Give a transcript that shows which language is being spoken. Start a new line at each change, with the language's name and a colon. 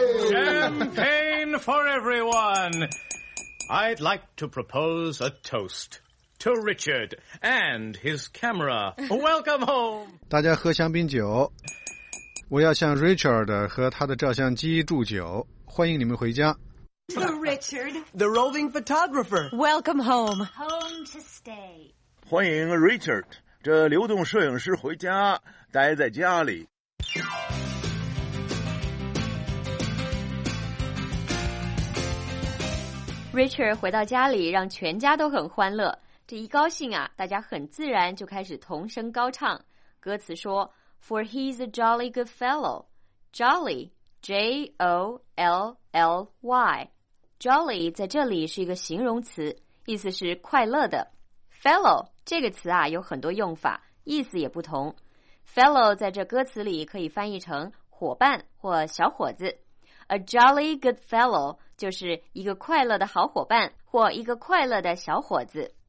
English: Champagne for everyone. I'd like to propose a toast to Richard and his camera. Welcome home.
Chinese: 大家喝香槟酒。我要向 Richard 和他的照相机祝酒，欢迎你们回家。
English: To Richard, the roving photographer. Welcome home. Home to stay.
Chinese: 欢迎 Richard, 这流动摄影师回家，待在家里。 Richard 回到家里，让全家都很欢乐。这一高兴啊，大家很自然就开始同声高唱。歌词说
English: ,For he's a jolly good fellow. Jolly, J-O-L-L-Y.
Chinese: Jolly 在这里是一个形容词，意思是快乐的。 Fellow 这个词啊，有很多用法，意思也不同。 Fellow 在这歌词里可以翻译成伙伴或小伙子。
English: A jolly good fellow
Chinese: 就是一个快乐的好伙伴或一个快乐的小伙子。